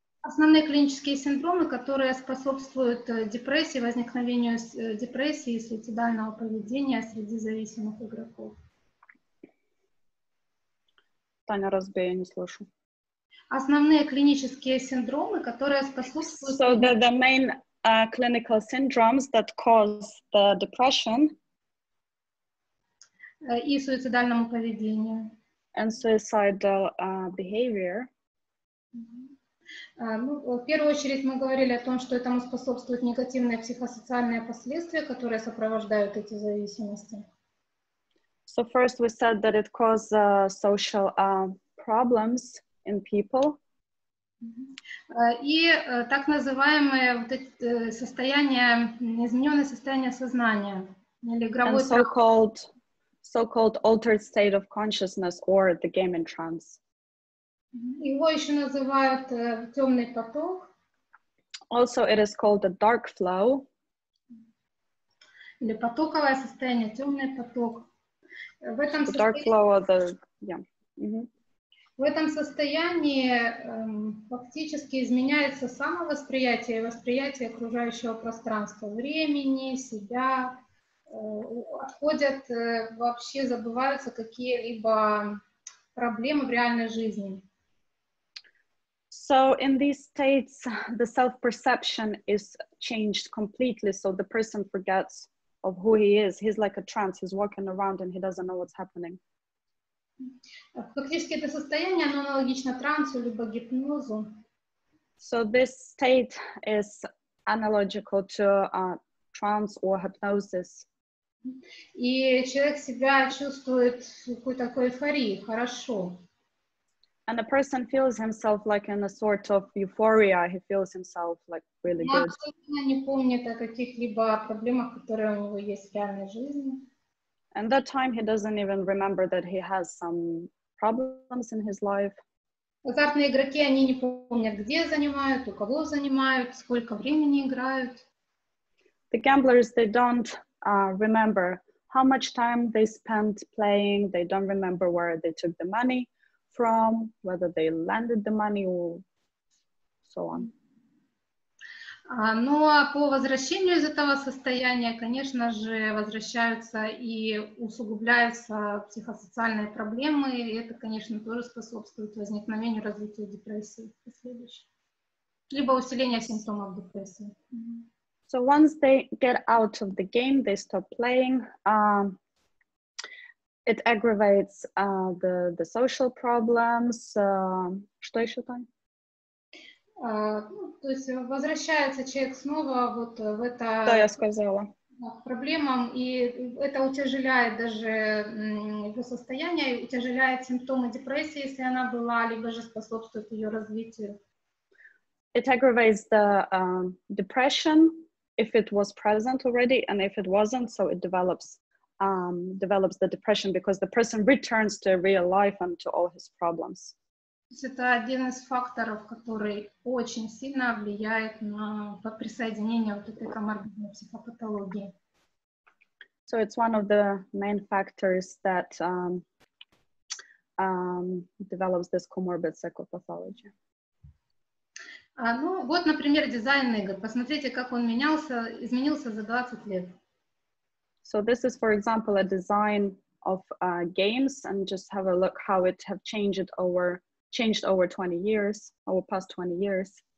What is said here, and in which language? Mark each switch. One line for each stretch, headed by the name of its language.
Russian: Основные клинические синдромы, которые способствуют депрессии, возникновению депрессии и суицидального поведения среди зависимых игроков. Таня, разбей, я не слышу. Основные клинические синдромы, которые способствуют...
English: So the main clinical syndromes that cause the depression.
Russian: И суицидальному поведению.
English: And suicidal behavior.
Russian: Ну, в первую очередь мы говорили о том, что этому способствуют негативные психосоциальные последствия, которые сопровождают эти зависимости.
English: So first we said that it causes social problems in people.
Russian: И так называемое вот это состояние, измененное состояние сознания или игровой
English: trance. So-called altered state of consciousness or the gaming trance.
Russian: Его еще называют темный поток.
English: Also it is called the dark flow.
Russian: Или потоковое состояние, темный поток. В этом
English: the dark
Russian: состоянии...
English: flow of the... Yeah. Mm-hmm.
Russian: В этом состоянии фактически изменяется самовосприятие и восприятие окружающего пространства, времени, себя, отходят, вообще забываются какие-либо проблемы в реальной жизни.
English: So in these states, the self-perception is changed completely, so the person forgets of who he is. He's like a trance, he's walking around and he doesn't know what's happening.
Russian: Фактически это состояние, оно аналогично трансу либо гипнозу.
English: So this state is analogical to trance or hypnosis.
Russian: И человек себя чувствует в какой-то такой эйфории, хорошо.
English: And a person feels himself like in a sort of euphoria. He feels himself like really good.
Russian: Он абсолютно не помнит о каких-либо проблемах, которые у него есть в реальной жизни.
English: And that time he doesn't even remember that he has some problems in his life.
Russian: Азартные игроки, они не помнят, где занимают, у кого занимают, сколько времени играют.
English: The gamblers, they don't remember how much time they spent playing. They don't remember where they took the money from, whether they landed the money or so on.
Russian: Ну а по возвращению из этого состояния, конечно же, возвращаются и усугубляются психосоциальные проблемы, и это, конечно, тоже способствует возникновению развития депрессии последующей, либо усиления симптомов депрессии.
English: So once they get out of the game, they stop playing, it aggravates the social problems.
Russian: Что еще там? То есть возвращается человек снова вот в это... Да, я сказала. ...проблемам, и это утяжеляет даже его состояние, утяжеляет симптомы депрессии, если она была, либо же способствует ее развитию.
English: It aggravates the depression, if it was present already, and if it wasn't, so it develops the depression, because the person returns to real life and to all his problems.
Russian: То есть это один из факторов, который очень сильно влияет на присоединение вот этой коморбидной психопатологии.
English: So it's one of the main factors that develops this comorbid psychopathology.
Russian: Ну вот, например, дизайн игр. Посмотрите, как он изменился за 20 лет.
English: So this is, for example, a design of games, and just have a look how it have changed over 20 years, over past 20 years.